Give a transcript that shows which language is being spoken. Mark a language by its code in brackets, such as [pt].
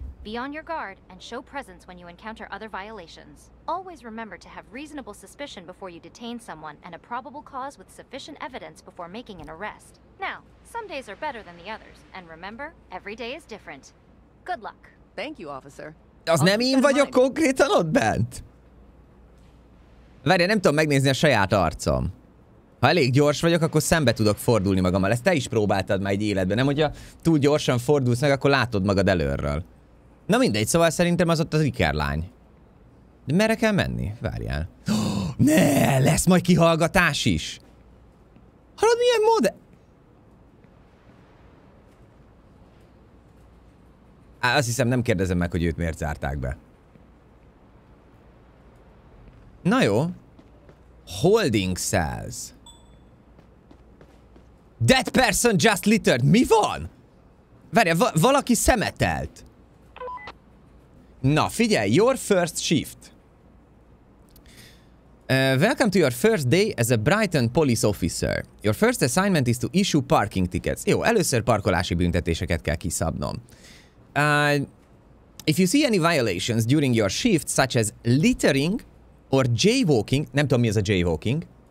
[en] Be on your guard and show presence when you encounter other violations. Always remember to have reasonable suspicion before you detain someone and a probable cause with sufficient evidence before making an arrest. Now, some days are better than the others, and remember, every day is different. Good luck. Thank you, officer. [hu] Az nem én vagyok konkrétan ott bent? Várj, nem tudom megnézni a saját arcom. Ha elég gyors vagyok, akkor szembe tudok fordulni magammal. Ezt te is próbáltad már egy életben, nem? Hogyha túl gyorsan fordulsz meg, akkor látod magad előről. Na mindegy, szóval szerintem az ott az ikerlány. De merre kell menni? Várjál. Oh, ne, lesz majd kihallgatás is! Hallod, milyen mód? Azt hiszem, nem kérdezem meg, hogy őt miért zárták be. Na jó. Holding cells. [en] That person just littered. [hu] Mi van? Várjál, valaki szemetelt. Na, figyelj, [en] your first shift. Welcome to your first day as a Brighton police officer. Your first assignment is to issue parking tickets. [hu] Jó, először parkolási büntetéseket kell kiszabnom. [en] If you see any violations during your shift, such as littering or jaywalking, [hu] nem tudom, mi az a jaywalking.